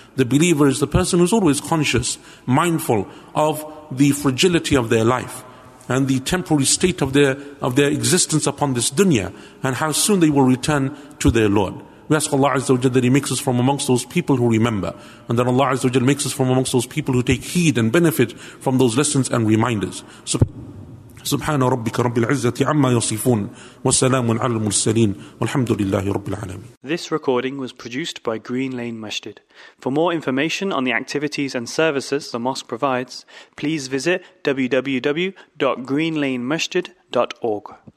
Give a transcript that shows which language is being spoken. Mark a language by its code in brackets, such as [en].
[en] The believer is the person who's always conscious, mindful of the fragility of their life and the temporary state of their existence upon this dunya, and how soon they will return to their Lord. We ask Allah Azza wa Jal that He makes us from amongst those people who remember, and that Allah Azza wa Jal makes us from amongst those people who take heed and benefit from those lessons and reminders. [ar] So, سبحان ربك رب العزة عما يصفون وسلام على المرسلين والحمد لله رب العالمين. [en] This recording was produced by Green Lane Masjid. For more information on the activities and services the mosque provides, please visit www.greenlanemasjid.org.